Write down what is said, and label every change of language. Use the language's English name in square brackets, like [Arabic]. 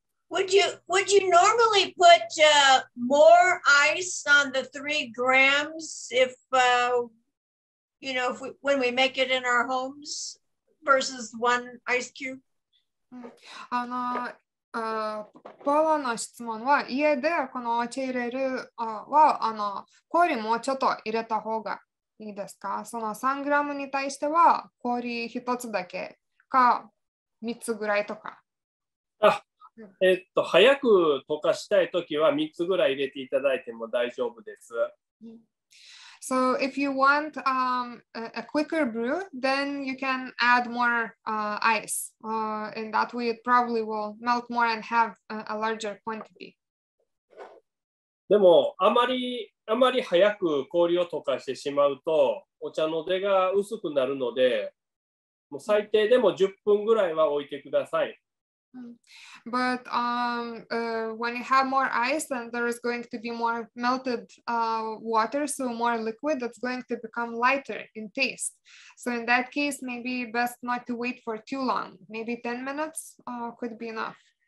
[English] Would you normally put more ice on the 3 grams if you know if we, when we make it in our homes versus one ice cube? [Japanese] あのポーラの質問は家でこのお茶入れるはあの氷もちょっと入れた方がいいですか？その3グラムに対しては氷一つだけか三つぐらいとか。早く溶かしたいときは3つぐらい入れていただいても大丈夫です。 [English] So if you want a quicker brew, then you can add more ice. And that way it probably will melt more and have a larger quantity. [Japanese] でもあまり早く氷を溶かしてしまうとお茶の出が薄くなるので、もう最低でも10分ぐらいは置いてください。 [English] But when you have more ice, then there is going to be more melted water, so more liquid that's going to become lighter in taste. So in that case, maybe best not to wait for too long. Maybe 10 minutes could be enough.